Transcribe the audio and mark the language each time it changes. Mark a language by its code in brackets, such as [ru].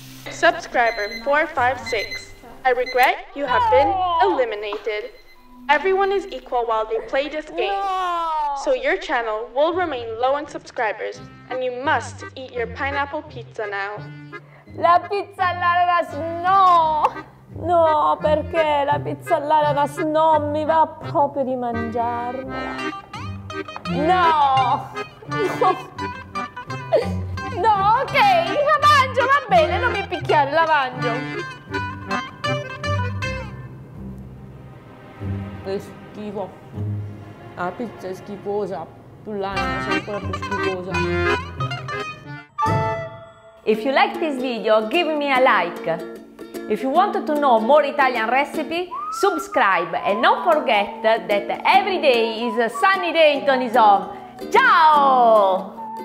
[en] Subscriber 456, I regret you have been eliminated. Everyone is equal while they play this game. So your channel will remain low on subscribers and you must eat your pineapple pizza now. [it] La pizza all'ananas no! No, perché la pizza all'ananas non mi va proprio di mangiarmela. No! No, ok, la mangio, va bene, non mi picchiare, la mangio. È schifo. La pizza è schifosa, più l'ananas è ancora più schifosa. [en] If you like this video, give me a like. If you wanted to know more Italian recipe, subscribe and don't forget that every day is a sunny day in Toni's home. Ciao!